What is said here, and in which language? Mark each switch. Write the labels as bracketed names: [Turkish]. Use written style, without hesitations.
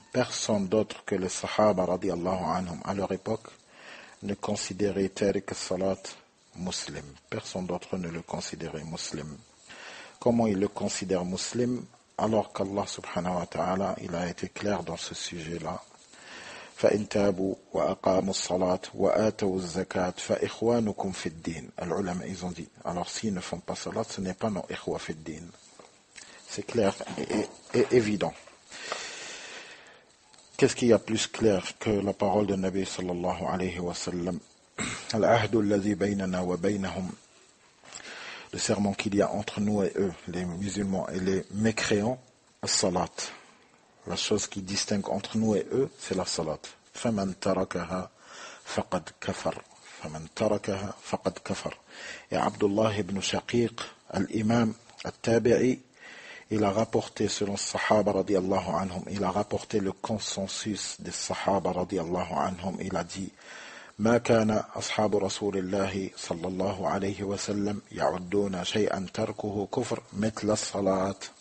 [French] Personne d'autre que les sahaba, radiallahu anhum, à leur époque, ne considérait tarik as-salat musulman. Personne d'autre ne le considérait musulman. Comment il le considère musulman, alors qu'Allah subhanahu wa ta'ala, il a été clair dans ce sujet-là. [Arabic] فإن تابوا وأقاموا الصلاة وآتوا الزكاة فإخوانكم في الدين. [French] العلماء ils ont dit, alors s'ils ne font pas salat, ce n'est pas nos ikhwa fi din. C'est clair et évident. Qu'est-ce qu'il y a plus clair que la parole du Nabi sallallahu alayhi wa sallam? [Arabic] العهد الذي بيننا وبينهم. [French] Le serment qu'il y a entre nous et eux, les musulmans et les mécréants, as-salat. La chose qui distingue entre nous et eux, c'est la salat. [Arabic] فَمَنْ تَرَكَهَا فَقَدْ كَفَرْ فَمَنْ تَرَكَهَا فَقَدْ كَفَرْ. [French] Et Abdullah ibn Shaqiq, l'imam al-Tabi'i, il a rapporté, selon Sahaba radiallahu anhum, il a rapporté le consensus des Sahaba radiallahu anhum, il a dit [Arabic] مَا كَانَ أَصْحَابُ رَسُولِ اللَّهِ صَلَّى اللَّهُ عَلَيْهِ وَسَلَّمْ يَعُدُّونَ شَيْئًا تَرْكُهُ كُفْرْ مِتْلَ الصَّلَاةِ.